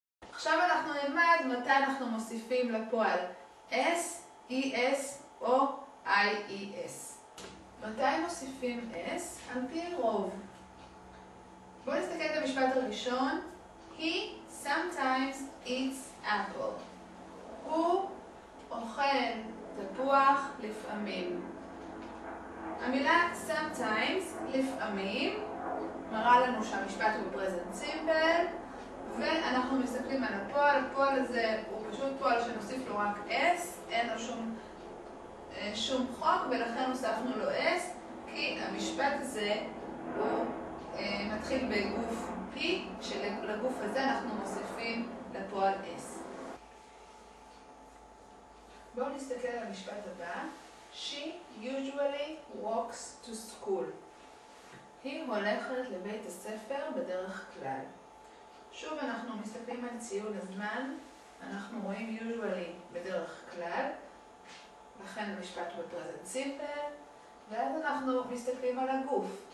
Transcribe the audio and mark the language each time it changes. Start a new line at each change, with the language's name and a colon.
Hebrew: עכשיו אנחנו נלמד מתי אנחנו מוסיפים לפועל S, E-S או I-E-S. מתי מוסיפים S? על פי רוב. בואו נסתכל את המשפט הראשון.
English: He sometimes eats apple.
Hebrew: הוא אוכל תפוח לפעמים. המילה sometimes, לפעמים, מראה לנו שהמשפט הוא present simple, ואנחנו מסתכלים על הפועל. הפועל הזה הוא פשוט פועל שנוסיף לו רק S, אין לו שום חוק, ולכן הוספנו לו S, כי המשפט הזה הוא מתחיל בגוף P, שלגוף הזה אנחנו מוסיפים לפועל S. בואו נסתכל על המשפט הבא.
English: She usually walks to school.
Hebrew: היא הולכת לבית הספר בדרך כלל. שוב אנחנו מסתכלים על ציון הזמן, אנחנו רואים usually בדרך כלל, לכן המשפט הוא present simple, ואז אנחנו מסתכלים על הגוף.